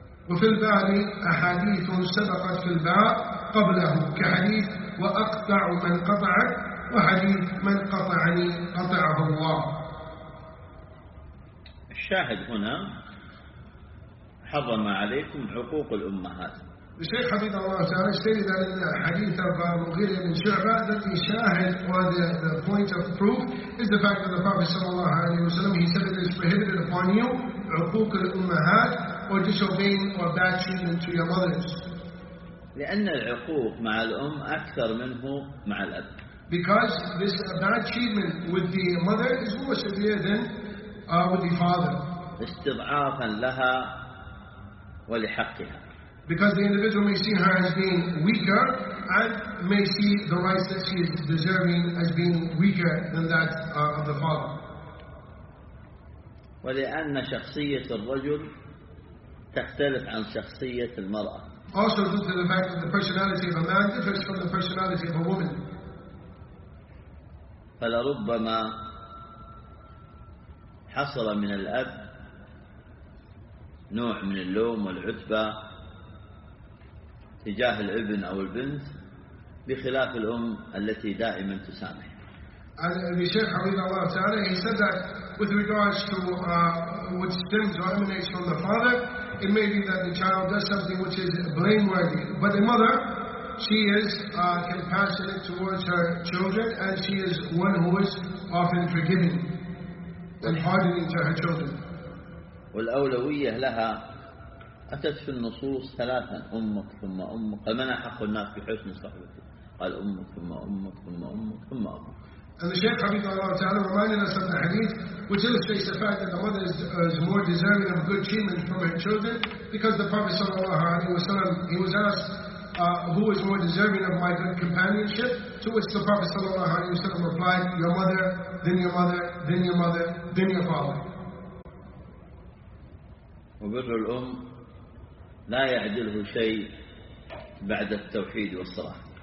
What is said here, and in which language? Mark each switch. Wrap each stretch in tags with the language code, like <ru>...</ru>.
<ar>وفي الباب أحاديث سبقت في الباب قبله كحديث وأقطع من قطعك وحديث من قطعني قطعه الله. الشاهد هنا حرم عليكم حقوق الأمهات.</ar> <en>الشيخ حفظه الله تعالى استند إلى حديث أبو مغيرة بن شعبة that the شاهد or the point of proof is the fact that the Prophet صلى الله عليه وسلم he said it is prohibited upon you حقوق الأمهات or disobeying or bad treatment to your mothers.</en> <ar>لأن العقوق مع الأم أكثر منه مع الأب.</ar> <en>Because this bad treatment with the mother is more severe than with the father.</en> <ar>استضعافا لها ولحقها.</ar> <en>Because the individual may see her as being weaker and may see the rights that she is deserving as being weaker than that of the father.</en> <ar>ولأن شخصية الرجل تختلف عن شخصية المرأة.</ar> <en>Also due to the fact that the personality of a man differs from the personality of a woman.</en> <ar>فلربما حصل من الأب نوع من اللوم والعتبة تجاه الابن أو البنت بخلاف الأم التي دائما تسامح.</ar> <en>And the Shaykh حفظه الله تعالى, he said that with regards to what stems or emanates from the father, it may be that the child does something which is blameworthy. But the mother, she is compassionate towards her children, and she is one who is often forgiving and hardening to her children.</en> <ar>والأولوية لها أتت في النصوص ثلاثا, أمك ثم أمك, فمن أحق الناس بحسن صحبته؟ قال أمك ثم أمك ثم أمك ثم أمك.</ar> <en>And the Shaykh حفظه الله تعالى reminded us of the hadith which illustrates the fact that the mother is more deserving of good treatment from her children, because the Prophet صلى الله عليه وسلم he was asked who is more deserving of my good companionship, to which the Prophet صلى الله عليه وسلم replied your mother, then your mother, then your mother, then your father.</en> <ar>وبر الأم لا يعدله شيء بعد التوحيد والصلاة.</ar>